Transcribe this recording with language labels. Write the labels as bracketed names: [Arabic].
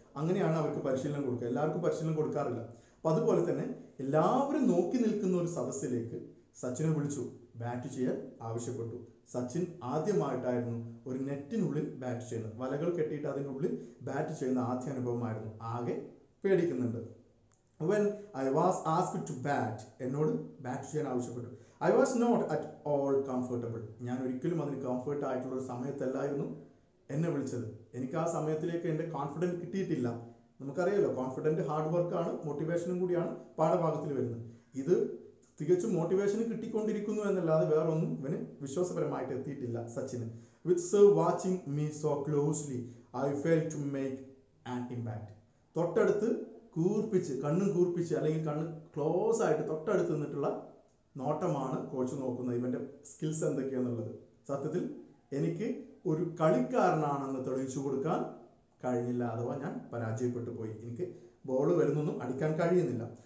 [Malayalam] അങ്ങനെയാണ് അവർക്ക് പരിശീലനം കൊടുക്കുക. എല്ലാവർക്കും പരിശീലനം കൊടുക്കാറില്ല. അപ്പം അതുപോലെ തന്നെ എല്ലാവരും നോക്കി നിൽക്കുന്ന ഒരു സദസ്സിലേക്ക് സച്ചിനെ വിളിച്ചു, ബാറ്റ് ചെയ്യാൻ ആവശ്യപ്പെട്ടു. സച്ചിൻ ആദ്യമായിട്ടായിരുന്നു ഒരു നെറ്റിനുള്ളിൽ ബാറ്റ് ചെയ്യുന്നത്, വലകൾ കെട്ടിയിട്ട് അതിനുള്ളിൽ ബാറ്റ് ചെയ്യുന്ന ആദ്യ അനുഭവമായിരുന്നു. ആകെ പേടിക്കുന്നുണ്ട്. [English] When I was asked to bat, [Malayalam] എന്നോട് ബാറ്റ് ചെയ്യാൻ ആവശ്യപ്പെട്ടു. [English] I was not at all comfortable, [Malayalam] ഞാൻ ഒരിക്കലും അതിന് കംഫർട്ട് ആയിട്ടുള്ള ഒരു സമയത്തല്ലായിരുന്നു എന്നെ വിളിച്ചത്. എനിക്ക് ആ സമയത്തിലേക്ക് എൻ്റെ കോൺഫിഡൻസ് കിട്ടിയിട്ടില്ല. നമുക്കറിയാലോ, കോൺഫിഡൻറ് ഹാർഡ് വർക്കാണ്, മോട്ടിവേഷനും കൂടിയാണ് പാഠഭാഗത്തിൽ വരുന്നത്. ഇത് തികച്ചും മോട്ടിവേഷൻ കിട്ടിക്കൊണ്ടിരിക്കുന്നു എന്നല്ലാതെ വേറൊന്നും ഇവന് വിശ്വാസപരമായിട്ട് എത്തിയിട്ടില്ല സച്ചിന്. [English] With sir watching me so closely, I failed to make an impact. [Malayalam] തൊട്ടടുത്ത് കൂർപ്പിച്ച്, കണ്ണും കൂർപ്പിച്ച് അല്ലെങ്കിൽ കണ്ണ് ക്ലോസ് ആയിട്ട് തൊട്ടടുത്ത് നിന്നിട്ടുള്ള നോട്ടമാണ് കോച്ച് നോക്കുന്നത്, ഇവൻ്റെ സ്കിൽസ് എന്തൊക്കെയാണെന്നുള്ളത്. സത്യത്തിൽ എനിക്ക് ഒരു കളിക്കാരനാണെന്ന് തെളിയിച്ചു കൊടുക്കാൻ കഴിഞ്ഞില്ല, അഥവാ ഞാൻ പരാജയപ്പെട്ടു പോയി, എനിക്ക് ബോൾ വരുന്നൊന്നും അടിക്കാൻ കഴിയുന്നില്ല.